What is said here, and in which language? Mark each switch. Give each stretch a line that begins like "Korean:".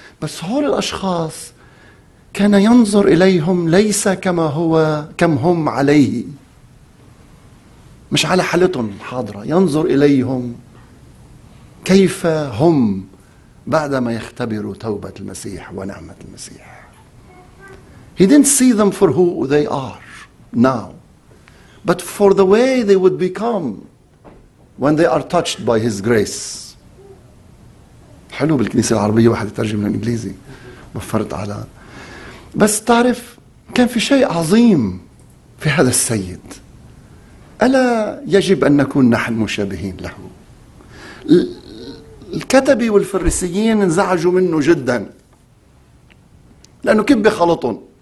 Arabic: بس هول الأشخاص كان ينظر إليهم ليس كما هو، كم هم عليه، مش على حالتهم الحاضرة، ينظر إليهم كيف هم بعدما يختبروا توبة المسيح ونعمة المسيح.
English: He didn't see them for who they are now, but for the way they would become when they are touched by his grace.
Arabic: حلو بالكنيسة العربية واحد يترجم للإنجليزي، وفرت على. بس تعرف كان في شيء عظيم في هذا السيد. ألا يجب أن نكون نحن مشابهين له؟ الكتبة والفريسيين انزعجوا منه جدا، لأنه كب خلطهم.